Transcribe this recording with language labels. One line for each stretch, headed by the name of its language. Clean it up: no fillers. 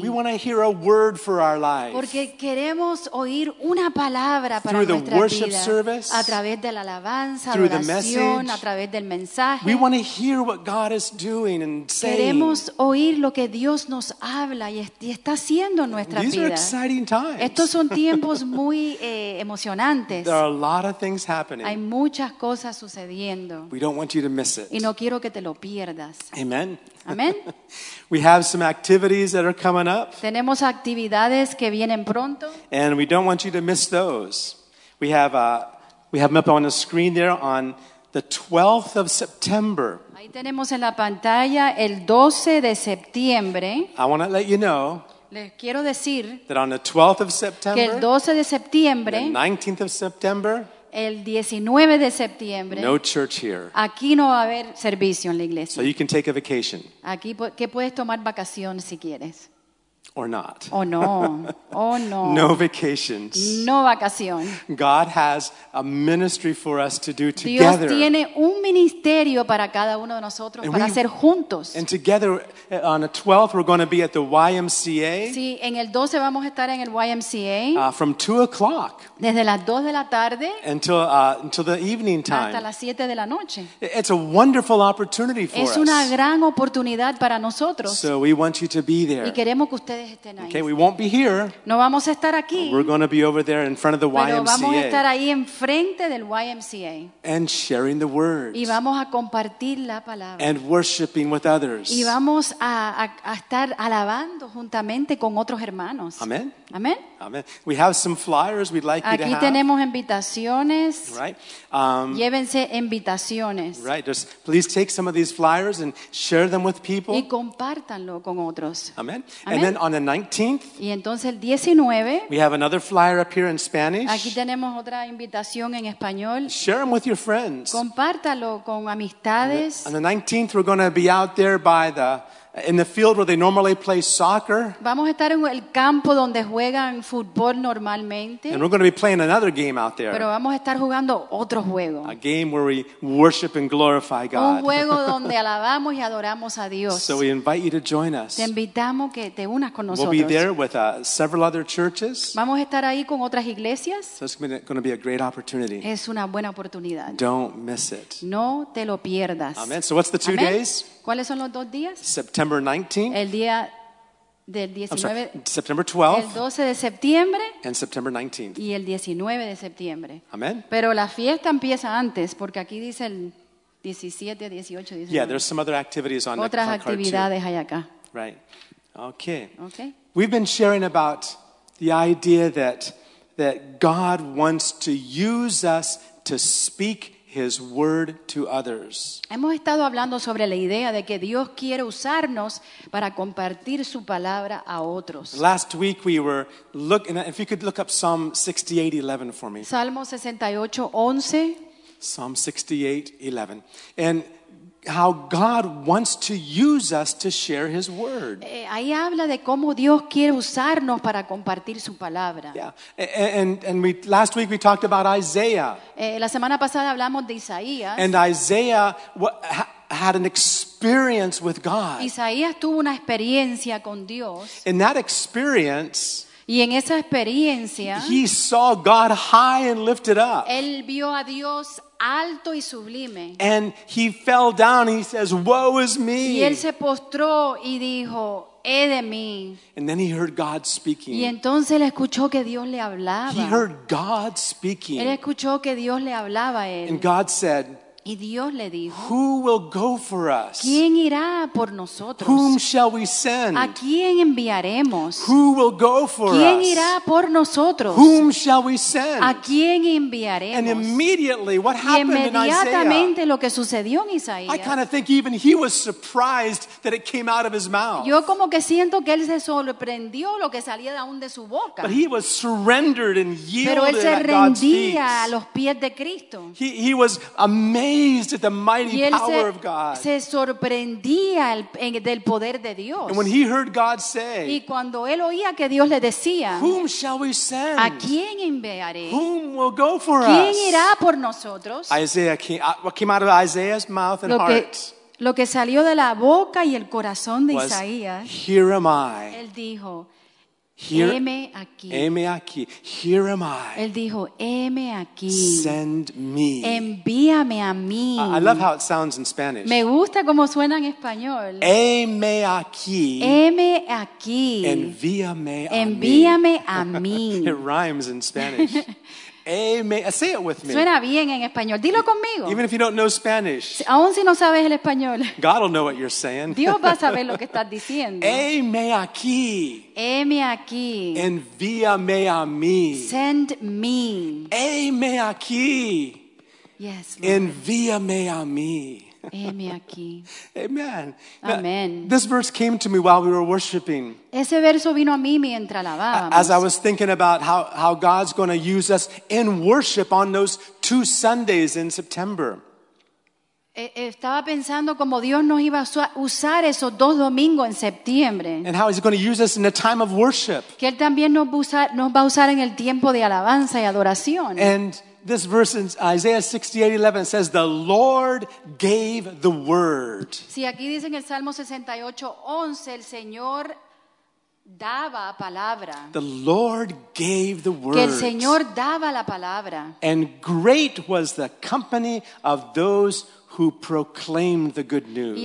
English: We want to hear a word for our life.
Spanish: Porque queremos oír una palabra para
English: through
Spanish: nuestra
English: the worship
Spanish: vida.
English: Service,
Spanish: a través de la alabanza,
English: through
Spanish: oración,
English: the message,
Spanish: a través del mensaje.
English: We want to hear what God is doing and saying.
Spanish: Queremos oír lo que Dios nos habla y está haciendo en nuestra
English: These
Spanish: vida.
English: Are exciting times.
Spanish: Estos son tiempos muy emocionantes.
English: There are a lot of things happening.
Spanish: Hay muchas cosas sucediendo.
English: We don't want you to miss it.
Spanish: Y no quiero que te lo pierdas.
English: Amen.
Spanish: Amen.
English: We have some activities that are coming up.
Spanish: Tenemos actividades que vienen pronto.
English: And we don't want you to miss those. We have them up on the screen there on the 12th of September.
Spanish: Ahí tenemos en la pantalla el 12 de septiembre.
English: I want to let you know.
Spanish: Les quiero decir
English: that on the 12th of September.
Spanish: Que el 12 de septiembre.
English: The 19th of September.
Spanish: El 19 de septiembre.
English: No church here.
Spanish: Aquí no va a haber servicio en la iglesia.
English: So you can take a vacation.
Spanish: Aquí que puedes tomar vacación si quieres.
English: Or not. Oh no. Oh no. No vacations.
Spanish: No vacación.
English: God has a ministry for us to do together.
Spanish: Dios tiene un ministerio para cada uno de nosotros para hacer juntos.
English: And together on the 12th we're going to be at the YMCA.
Spanish: Sí, en el 12 vamos a estar en el YMCA.
English: From 2:00.
Spanish: Desde las 2 de la tarde.
English: Until the evening time.
Spanish: Hasta las 7 de la noche.
English: It's a wonderful opportunity for us.
Spanish: Es una gran oportunidad para nosotros.
English: So we want you to be there.
Spanish: Y queremos que ustedes estén ahí.
English: Okay, we won't be here.
Spanish: No vamos a estar aquí.
English: We're going to be over there in front of the YMCA.
Spanish: Pero vamos a estar ahí enfrente del YMCA.
English: And sharing the word.
Spanish: Y vamos a compartir la palabra.
English: And worshiping with others.
Spanish: Y vamos a estar alabando juntamente con otros hermanos.
English: Amen.
Spanish: Amen.
English: Amen. We have some flyers we'd like
Spanish: aquí
English: you to
Spanish: tenemos
English: have.
Spanish: Invitaciones.
English: Right.
Spanish: Llévense invitaciones.
English: Right. Just please take some of these flyers and share them with people.
Spanish: Y compártanlo con otros.
English: Amen. Amen. And then on the 19th.
Spanish: Y entonces el 19.
English: We have another flyer up here in Spanish.
Spanish: Aquí tenemos otra invitación en español.
English: Share them with your friends.
Spanish: Compártalo con amistades.
English: On the 19th, we're going to be out there by the. In the field where they normally play soccer.
Spanish: Vamos a estar en el campo donde juegan fútbol normalmente.
English: And we're going to be playing another game out there.
Spanish: Pero vamos a estar jugando otro juego.
English: A game where we worship and glorify God.
Spanish: Un juego donde alabamos y adoramos a Dios.
English: So we invite you to join us.
Spanish: Te invitamos que te unas con nosotros.
English: We'll be there with several other churches.
Spanish: Vamos a estar ahí con otras iglesias.
English: So it's going to be a great opportunity.
Spanish: Es una buena oportunidad.
English: Don't miss it.
Spanish: No te lo pierdas.
English: Amen. So what's the two
Spanish: Amen.
English: Days?
Spanish: ¿Cuáles son los dos días?
English: September 19th.
Spanish: El día del 19.
English: I'm sorry, September 12th.
Spanish: El 12 de septiembre.
English: And September 19th.
Spanish: Y el 19 de septiembre.
English: Amen.
Spanish: Pero la fiesta empieza antes porque aquí dice el 17, 18, 19.
English: Yeah, there's some other activities on
Spanish: otras actividades hay acá.
English: Right. Okay. Okay. We've been sharing about the idea that God wants to use us to speak His word to others.
Spanish: Hemos estado hablando sobre la idea de que Dios quiere usarnos para compartir su palabra a otros.
English: Last week we were looking, if you could look up Psalm 68:11 for me.
Spanish: Salmo 68:11.
English: Psalm 68:11. And how God wants to use us to share His word.
Spanish: Ahí habla de cómo Dios quiere usarnos para compartir su palabra.
English: Yeah, and we last week we talked about Isaiah.
Spanish: La semana pasada hablamos de Isaías.
English: And Isaiah had an experience with God.
Spanish: Isaías tuvo una experiencia con Dios.
English: In that experience.
Spanish: Y en esa experiencia.
English: He saw God high and lifted up.
Spanish: Él vio a Dios alto y sublime.
English: And he fell down and he says, woe is me.
Spanish: Y él se postró y dijo, he de mí.
English: And then he heard God speaking.
Spanish: Y entonces él escuchó que Dios le hablaba.
English: He heard God speaking.
Spanish: Él escuchó que Dios le hablaba a él.
English: And God said,
Spanish: y Dios le dijo,
English: who will go for us?
Spanish: ¿Quién irá por nosotros?
English: Whom shall we send?
Spanish: ¿A quién enviaremos?
English: Who will go for
Spanish: ¿Quién
English: us?
Spanish: Irá por nosotros?
English: Whom shall we send?
Spanish: ¿A quién enviaremos?
English: And immediately, what happened
Spanish: y inmediatamente lo que sucedió en Isaías.
English: I kind of think even he was surprised that it came out of his mouth.
Spanish: Yo como que siento que él se sorprendió lo que salía aún de su boca.
English: But he was surrendered and yielded
Spanish: Pero él se rendía a los pies de Cristo.
English: He was amazed. amazed at the mighty power of God.
Spanish: Se sorprendía del poder de Dios.
English: And when he heard God say,
Spanish: y cuando él oía que Dios le decía,
English: whom shall we send?
Spanish: ¿A quién enviaré?
English: Whom will go for
Spanish: ¿Quién
English: us?
Spanish: ¿Quién irá por nosotros?
English: Isaiah came out of Isaiah's mouth and heart.
Spanish: Lo que salió de la boca y el corazón de Isaías.
English: Here am I.
Spanish: Él dijo, heme aquí. Heme aquí.
English: Here am I.
Spanish: Él dijo, heme aquí.
English: Send me.
Spanish: Envíame a mí.
English: I love how it sounds in Spanish.
Spanish: Me gusta cómo suena en español. Heme aquí. Heme aquí. Envíame a mí. Envíame a mí.
English: It rhymes in Spanish. Heme, say it with me.
Spanish: Suena bien en español. Dilo conmigo.
English: Even if you don't know Spanish.
Spanish: Aún si no sabes el español.
English: God will know what you're saying.
Spanish: Dios va a saber lo que estás diciendo. Heme aquí. Heme aquí. Envíame a mí.
English: Send me.
Spanish: Heme aquí.
English: Yes, Lord.
Spanish: Envíame a mí. Heme aquí.
English: Amen.
Spanish: Amen.
English: This verse came to me while we were worshiping.
Spanish: Ese verso vino a mí mientras alabábamos.
English: As I was thinking about how God's going to use us in worship on those two Sundays in September.
Spanish: Estaba pensando cómo Dios nos iba a usar esos dos domingos en septiembre.
English: And how he's going to use us in a time of worship.
Spanish: Que él también nos va a usar en el tiempo de alabanza y adoración.
English: And this verse in Isaiah 68:11 says, "The Lord gave the word."
Spanish: Sí, aquí dice en el Salmo 68:11, el Señor daba palabra.
English: The Lord gave the word.
Spanish: Que el Señor daba la palabra.
English: And great was the company of those who proclaimed the good news.